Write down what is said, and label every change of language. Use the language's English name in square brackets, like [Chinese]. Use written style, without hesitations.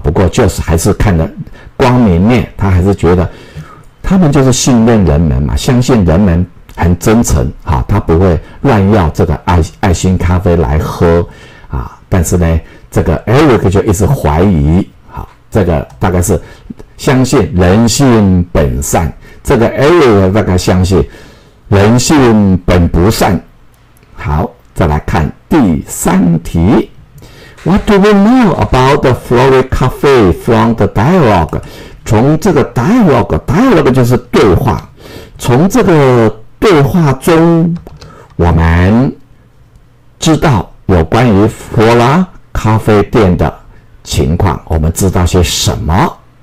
[Chinese] 不过就是还是看的光明面，他还是觉得他们就是信任人们嘛，相信人们很真诚啊，他不会乱要这个爱心咖啡来喝啊。但是呢，这个 Eric 就一直怀疑啊，这个大概是相信人性本善，这个 Eric 大概相信人性本不善。好，再来看第三题。 [English] What do we know about the Flora Cafe from the dialogue? [Chinese] 从这个 dialogue 就是对话。从这个对话中，我们知道有关于 Flora 咖啡店的情况，我们知道些什么。